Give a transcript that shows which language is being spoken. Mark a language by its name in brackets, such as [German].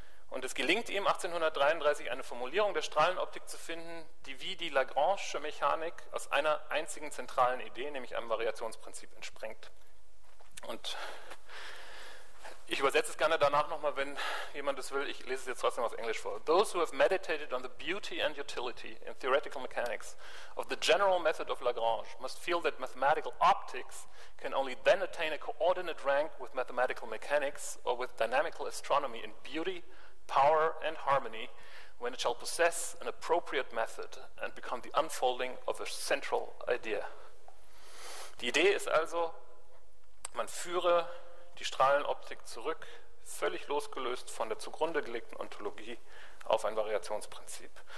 [German] Und es gelingt ihm, 1833 eine Formulierung der Strahlenoptik zu finden, die wie die Lagrange'sche Mechanik aus einer einzigen zentralen Idee, nämlich einem Variationsprinzip, entspringt. Und ich übersetze es gerne danach nochmal, wenn jemand das will. Ich lese es jetzt trotzdem auf Englisch vor. [English] Those who have meditated on the beauty and utility in theoretical mechanics of the general method of Lagrange must feel that mathematical optics can only then attain a coordinate rank with mathematical mechanics or with dynamical astronomy in beauty, power and harmony when it shall possess an appropriate method and become the unfolding of a central idea. [German] Die Idee ist also, man führe die Strahlenoptik zurück, völlig losgelöst von der zugrunde gelegten Ontologie auf ein Variationsprinzip.